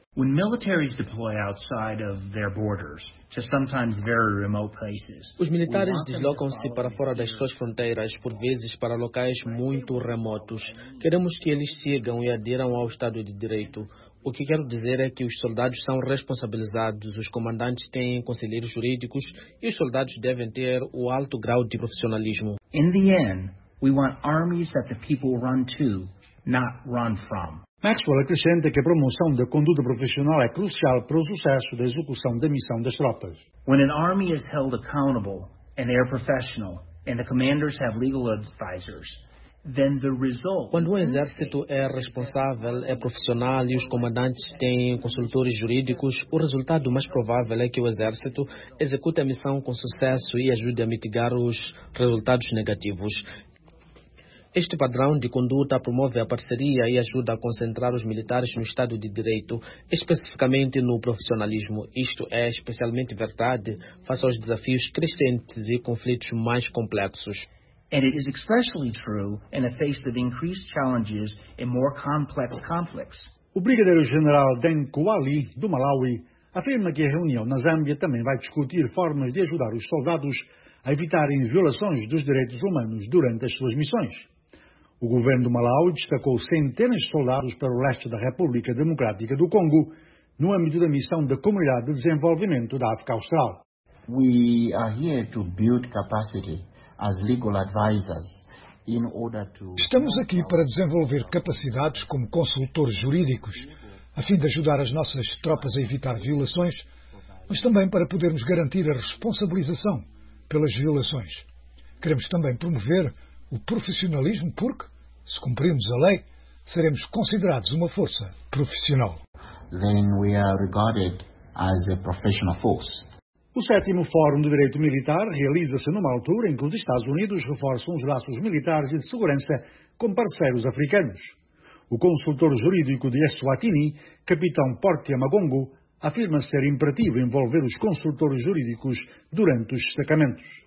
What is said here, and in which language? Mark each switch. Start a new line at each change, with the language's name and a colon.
English: When militaries deploy outside of their borders to sometimes very remote places,
Portuguese: os militares deslocam-se para fora das suas fronteiras, por vezes para locais muito remotos. Queremos que eles sigam e adiram ao Estado de Direito. O que quero dizer é que os soldados são responsabilizados, os comandantes têm conselheiros jurídicos e os soldados devem ter o alto grau de profissionalismo.
English: In the end, we want armies that the people run to, not run from.
Portuguese: Maxwell acrescenta que a promoção da conduta profissional é crucial para o sucesso da execução da missão das tropas.
English: When an army is held accountable and they are professional and the commanders have legal advisors, then the result.
Portuguese: Quando um exército é responsável, é profissional e os comandantes têm consultores jurídicos, o resultado mais provável é que o exército execute a missão com sucesso e ajude a mitigar os resultados negativos. Este padrão de conduta promove a parceria e ajuda a concentrar os militares no Estado de Direito, especificamente no profissionalismo. Isto é especialmente verdade face aos desafios crescentes e conflitos mais complexos.
English: And it is especially true in the face of increased challenges and more complex conflicts.
Portuguese: O brigadeiro-general Deng Kuali, do Malawi, afirma que a reunião na Zâmbia também vai discutir formas de ajudar os soldados a evitarem violações dos direitos humanos durante as suas missões. O governo do Malawi destacou centenas de soldados para o leste da República Democrática do Congo no âmbito da missão da Comunidade de Desenvolvimento da África Austral.
English: We are here to build capacity as legal advisors in order to.
Portuguese: Estamos aqui para desenvolver capacidades como consultores jurídicos, a fim de ajudar as nossas tropas a evitar violações, mas também para podermos garantir a responsabilização pelas violações. Queremos também promover o profissionalismo, porque, se cumprirmos a lei, seremos considerados uma força profissional.
English: Then we are regarded as a professional force.
Portuguese: O 7º Fórum de Direito Militar realiza-se numa altura em que os Estados Unidos reforçam os laços militares e de segurança com parceiros africanos. O consultor jurídico de Eswatini, capitão Portia Magongo, afirma ser imperativo envolver os consultores jurídicos durante os destacamentos.